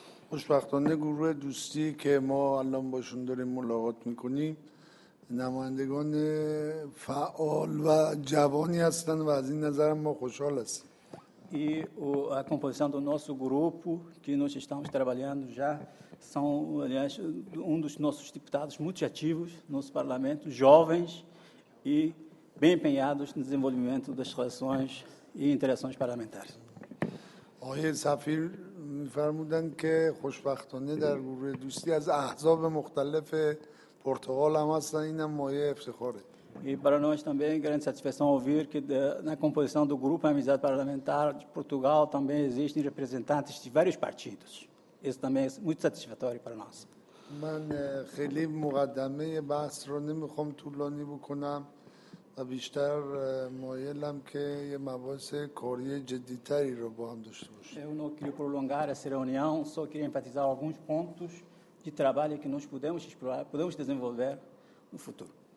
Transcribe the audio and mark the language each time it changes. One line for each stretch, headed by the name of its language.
Portuguese: Hoje, grupo de amizade que nós temos uma
Persian: ملاقات میکنیم، نمایندگان فعال و جوانی هستند و از این نظر ما خوشحال هستیم.
Portuguese: E o a composição do nosso grupo que nós estamos trabalhando já são aliás dos nossos deputados muito ativos no nosso parlamento, jovens e bem empenhados no desenvolvimento das relações e interações parlamentares.
Persian: آقای سفیر می‌فرمودند که خوشبختانه در گروه دوستی از احزاب مختلف Portugal هم هستن، این هم مایه افتخاره.
Portuguese: E para nós também é grande satisfação ouvir que na composição do Grupo Amizade Parlamentar de Portugal também existem representantes de vários partidos. Isso também é muito satisfatório para nós.
Persian: من خیلی مقدمه بحث رو نمیخوام طولانی بکنم و بیشتر مایلم که یه مباحث کاری جدیتری رو با هم داشته باشیم.
Portuguese: Eu não queria prolongar essa reunião, só queria enfatizar alguns pontos de trabalho que nós podemos explorar, podemos desenvolver no futuro.